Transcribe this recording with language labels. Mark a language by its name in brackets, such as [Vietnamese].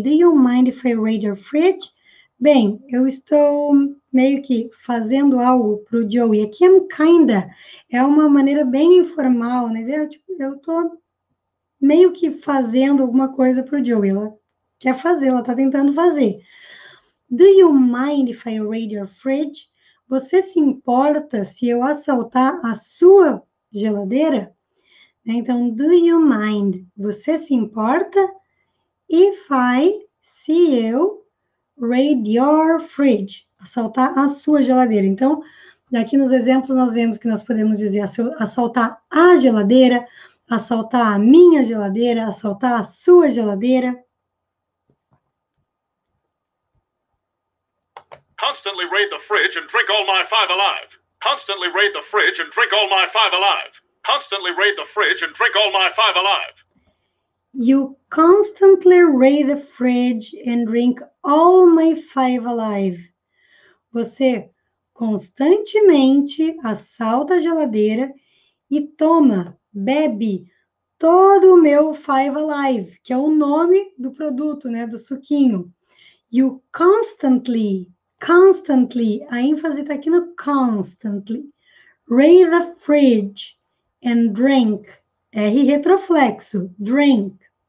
[English] Do you mind if I raid your fridge? [Portuguese] Bem, eu estou meio que fazendo algo pro Joey. Aqui [English] I'm kinda [Portuguese] é uma maneira bem informal, né? Eu tipo, eu tô meio que fazendo alguma coisa pro Joey. Ela Quer fazer, ela está tentando fazer. [English] Do you mind if I raid your fridge? [Portuguese] Você se importa se eu assaltar a sua geladeira? [English] Então, do you mind? [Portuguese] Você se importa [English] if I, [Portuguese] se eu, [English] raid your fridge? [Portuguese] Assaltar a sua geladeira. Então, aqui nos exemplos nós vemos que nós podemos dizer assaltar a geladeira, assaltar a minha geladeira, assaltar a sua geladeira. [English] Constantly raid the fridge and drink all my five alive. Constantly raid the fridge and drink all my five alive. Constantly raid the fridge and drink all my five alive. You constantly raid the fridge and drink all my five alive. [Portuguese] Você constantemente assalta a geladeira e toma, bebe todo o meu Five Alive, que é o nome do produto, né, do suquinho. [English] You constantly, constantly, [Portuguese] a ênfase está aqui no [English] constantly, raid the fridge and drink, [Portuguese] R retroflexo, [English] drink.